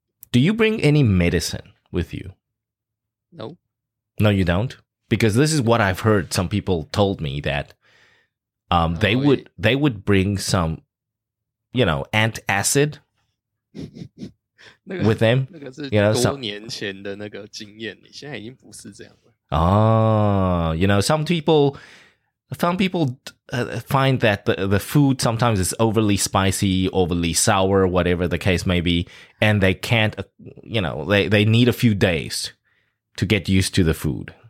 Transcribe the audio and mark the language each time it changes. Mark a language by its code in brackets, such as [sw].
[en] Do you bring any medicine with you? No. No, you don't? Because this is what I've heard some people told me that they would bring some, you know, antacid with them. [zh] That's 多年前的那个经验，现在已经不是这样了。 [en] You know, some people find that the food sometimes is overly spicy, overly sour, whatever the case may be, and they can't, you know, they need a few days to get used to the food.